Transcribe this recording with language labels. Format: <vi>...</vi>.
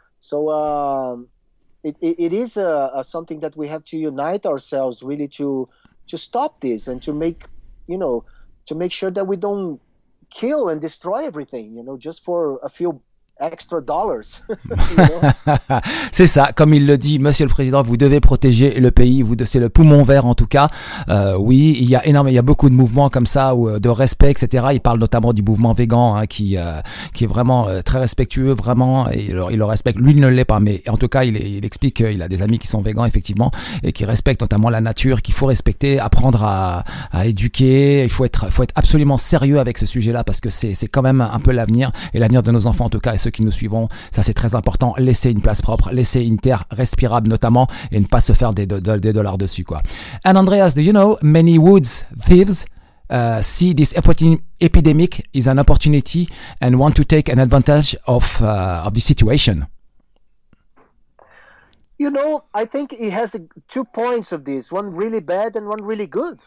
<en>So it is something that we have to unite ourselves, really, to stop this and to make, you know, to make sure that we don't kill and destroy everything, you know, just for a few extra dollars. <You know?</en> <fr>rire> C'est ça, comme il le dit, Monsieur le Président, vous devez protéger le pays, c'est le poumon vert en tout cas. Oui, il y a beaucoup de mouvements comme ça, ou de respect, etc. Il parle notamment du mouvement végan, hein, qui est vraiment très respectueux, vraiment, et il le respecte. Lui, il ne l'est pas, mais en tout cas, il explique qu'il a des amis qui sont végans, effectivement, et qui respectent notamment la nature, qu'il faut respecter, apprendre à éduquer. Il faut être absolument sérieux avec ce sujet-là, parce que c'est quand même un peu l'avenir, et l'avenir de nos enfants, en tout cas. Ceux qui nous suivront, ça c'est très important, laisser une place propre, laisser une terre respirable notamment, et ne pas se faire des dollars dessus, quoi.</fr> <en>And Andreas, do you know many woods thieves see this epidemic is an opportunity and want to take an advantage of the situation? You know, I think it has two points of this, one really bad and one really good.</en>